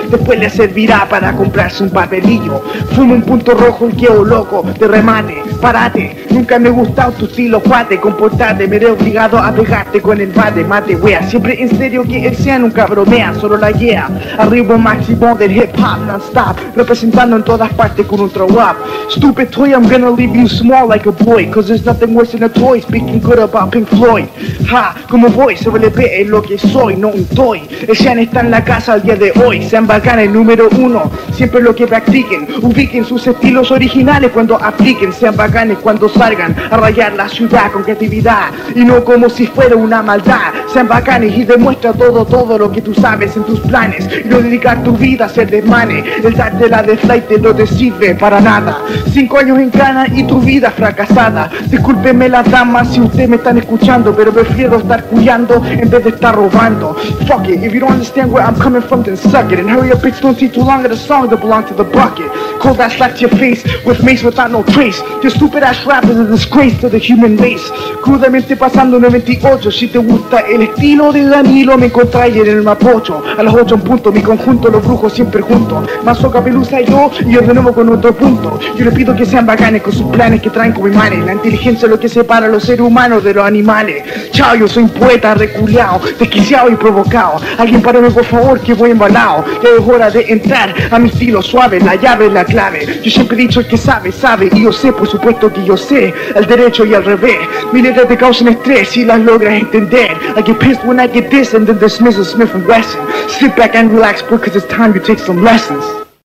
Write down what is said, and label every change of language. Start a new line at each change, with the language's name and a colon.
Spanish: Después le servirá para comprarse un papelillo. Fumo un punto rojo y quedo loco, de remate, parate. Nunca me ha gustado tu estilo, cuate, comportate. Me veré obligado a pegarte con el bate, mate, wea. Siempre en serio que el CEO nunca bromea, solo la guía. Arribo máximo del hip hop. Stop, representando en todas partes con un throw up.
English: Stupid toy, I'm gonna leave you small like a boy. Cause there's nothing worse than a toy. Speaking good about Pink Floyd.
Spanish: Ha, como voy, se vuelve pe, es lo que soy, no un toy. El Sean está en la casa al día de hoy. Sean bacán, el número uno. Siempre lo que practiquen. Ubiquen sus estilos originales cuando apliquen. Sean bacanes cuando salgan a rayar la ciudad con creatividad. Y no como si fuera una maldad. Sean bacanes y demuestra todo, todo lo que tú sabes en tus planes. Y no dedicar tu vida a ser desmanes. El darte la de flight no te sirve para nada. 5 años en Cana y tu vida fracasada. Discúlpeme las damas si ustedes me están escuchando, pero prefiero estar cuyando en vez de estar robando.
English: Fuck it, if you don't understand where I'm coming from, then suck it. And hurry up, bitch, don't see too long at a song that belongs to the bucket. Cold ass slap to your face with mace without no trace. Your stupid ass rap is a disgrace to the human race.
Spanish: Crudamente pasando 98, si te gusta el estilo de Danilo, me encontraré en el Mapocho. A los 8 en punto, mi conjunto, los brujos siempre juntos. Mazoca, pelusa y yo de nuevo con otro punto. Yo les pido que sean bacanes con sus planes que traen como imanes. La inteligencia es lo que separa a los seres humanos de los animales. Chao, yo soy un poeta reculeado, desquiciado y provocado. Alguien párame por favor que voy embalado. Ya es hora de entrar a mi estilo suave, la llave es la clave. Yo siempre he dicho el que sabe, sabe y yo sé, por supuesto que yo sé. Al derecho y al revés, mis letras te causan estrés si las logras entender.
English: I get pissed when I get this and then dismiss a Smith and Wesson. Sit back and relax because it's time you take some lessons. Thank you.